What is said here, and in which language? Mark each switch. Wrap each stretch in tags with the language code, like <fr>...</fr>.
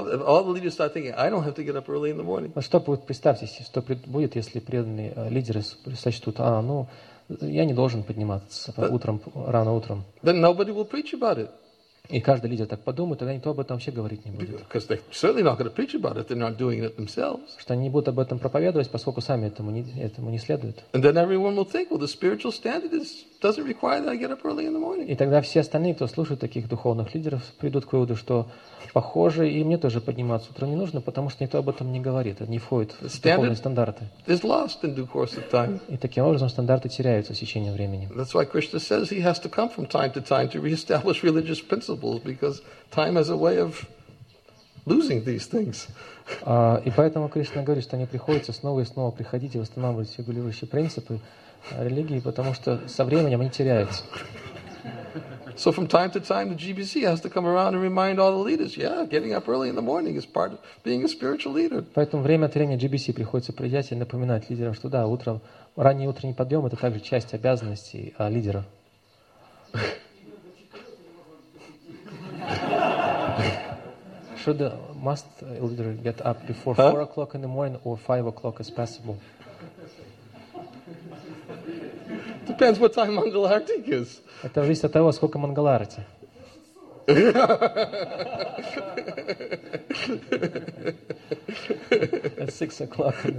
<en>All the leaders start thinking, I don't have to get up early in the morning.</en> <ru>Что будет, представьте, что будет, если преданные лидеры сочтут, я не должен подниматься рано утром.</ru> <en>Then nobody will preach about it.</en> <ru>И каждый лидер так подумает, тогда никто об этом вообще говорить не будет.</ru> <en>Because they're certainly not going to preach about it, they're not doing it themselves.</en> <ru>Что они не будут об этом проповедовать, поскольку сами этому не следуют.</ru> <en>And then everyone will think, well, the spiritual standard doesn't require that I get up early in the morning.</en> <ru>И тогда все остальные, кто слушает таких духовных лидеров, придут к выводу, что похоже, и мне тоже подниматься утром не нужно, потому что никто об этом не говорит, это не входит в духовные стандарты.</ru> <en>Is lost in due course of time.</en> <ru>И таким образом стандарты теряются с течением времени.</ru> <en>That's why Krishna says he has to come from time to time to reestablish religious principles, because time has a way of losing these things.</en> <ru>И поэтому Кришна говорит, что мне приходится снова и снова приходить и восстанавливать все регулирующие принципы религии, потому что со временем они теряются.</ru> <en>So from time to time, the GBC has to come around and remind all the leaders, yeah, getting up early in the morning is part of being a spiritual leader.</en> <ru>Поэтому время от времени GBC приходится приезжать и напоминать лидерам, что да, утром, ранний утренний подъем – это также часть обязанностей лидера.</ru> <en>Should must leader get up before 4 o'clock in the morning or 5 o'clock as possible? Depends what time Mangalarti is.</en> <ru>Это зависит от того, сколько Мангаларти.</ru> <en>At 6 o'clock.</en>